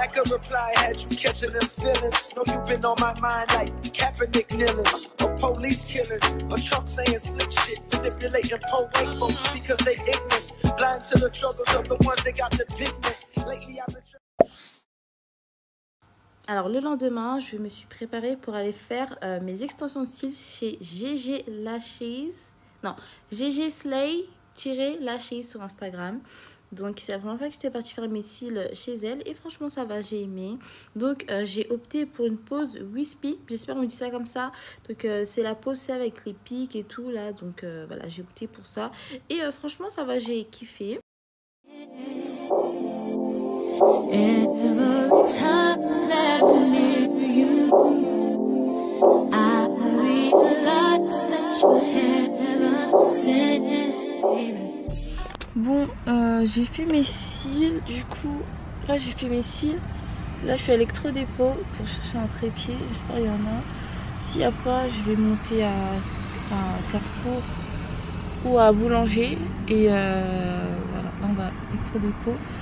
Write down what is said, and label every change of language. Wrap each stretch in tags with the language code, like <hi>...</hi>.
<en>Reply, had you catching them feelings? Know you been on my mind like Kaepernick kneeling, or police killings, or Trump saying slick shit, manipulating poor white folks because they ignorant, blind to the struggles of the ones that got the pigments. Lately, I've been.</en> <fr>Alors le lendemain, je me suis préparée pour aller faire mes extensions de cils chez GG Lashes. Non, GG Slay-Lashes sur Instagram. Donc c'est la première fois que j'étais partie faire mes cils chez elle et franchement ça va, j'ai aimé. Donc j'ai opté pour une pose wispy, j'espère qu'on dit ça comme ça. Donc c'est la pose, c'est avec les pics et tout là, donc voilà, j'ai opté pour ça. Et franchement ça va, j'ai kiffé.</fr> <en>Every time that I'm near you, I realize that you haven't seen me.</en> <fr>Bon, j'ai fait mes cils, du coup, là j'ai fait mes cils, là je suis à l'électro-dépôt pour chercher un trépied, j'espère qu'il y en a. S'il n'y a pas, je vais monter à Carrefour ou à Boulanger et voilà, là on va à l'électro-dépôt.</fr>